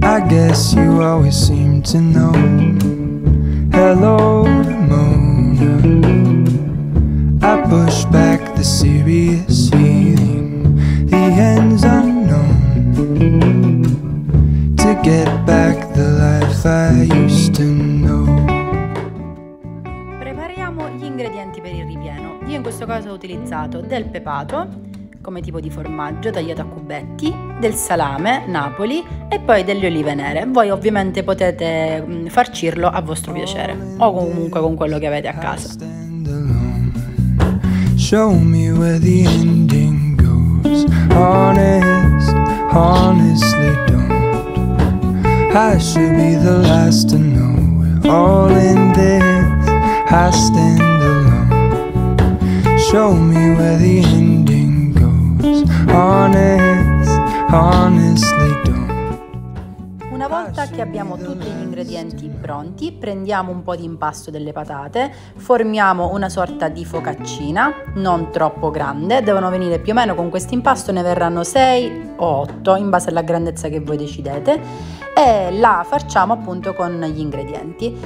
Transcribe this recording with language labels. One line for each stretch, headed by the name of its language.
English: Guess you always seem to know. Hello, Ramona. I push back the serious feeling, the end's unknown, to get back the life I used to know.
Italian: Prepariamo gli ingredienti per il ripieno. Io in questo caso ho utilizzato del pepato come tipo di formaggio tagliato a cubetti, del salame Napoli e poi delle olive nere. Voi ovviamente potete farcirlo a vostro piacere o comunque con quello che avete a casa.
English: Show me where the ending goes. Honestly don't. I should be the last to know. All in this, I stand alone. Show me where the ending goes. Honestly don't.
Italian: Una volta che abbiamo tutti gli ingredienti pronti, prendiamo un po' di impasto delle patate, formiamo una sorta di focaccina, non troppo grande, devono venire più o meno con questo impasto, ne verranno 6 o 8 in base alla grandezza che voi decidete, e la facciamo appunto con gli ingredienti.